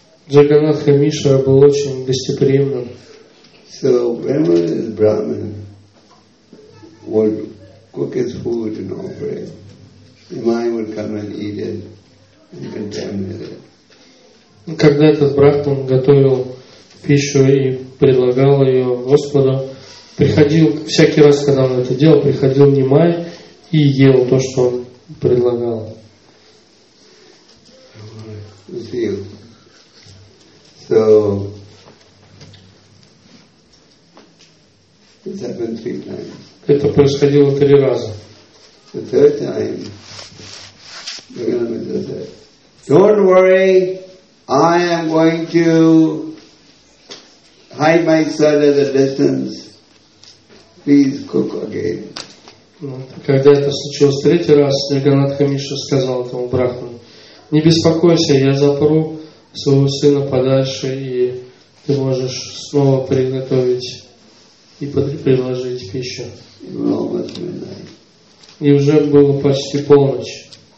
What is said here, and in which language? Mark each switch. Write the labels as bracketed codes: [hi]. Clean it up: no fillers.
[ru] Джаганнат Мишра был очень гостеприимным. [en] So whenever this Brahmin would cook his food and offer it, Nimai would come and eat it and contaminate it. [ru] Когда этот брахман готовил пищу и предлагал ее Господу, приходил всякий раз, когда он это делал, приходил Нимай и ел то, что он предлагал. [en] So it happened three times. [ru] Это происходило три раза. [en] The third time, Jagannath Mishra said, "Don't worry, I am going to hide my son at a distance. Please cook again." [ru] Когда это случилось третий раз, Джаганнатха Мишра сказал этому брахману: "Не беспокойся, я запру своего сына подальше, и ты можешь снова приготовить и предложить пищу." И уже было почти полночь.